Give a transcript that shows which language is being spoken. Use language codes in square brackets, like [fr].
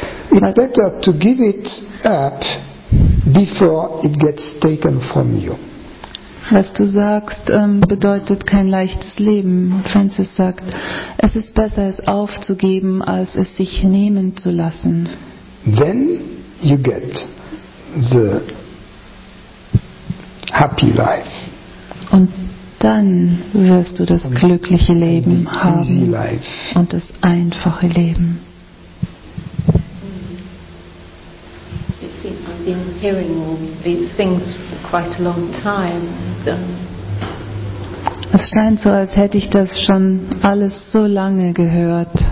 [en] It's better to give it up before it gets taken from you. [de] Was du sagst, bedeutet kein leichtes Leben. Francis sagt, es ist besser, es aufzugeben, als es sich nehmen zu lassen. [en] Then you get the happy life. [de] Und dann wirst du das glückliche Leben haben [en] life. [de] Und das einfache Leben. [en] Been hearing all these things for quite a long time. [de] Es scheint so, als hätte ich das schon alles so lange gehört.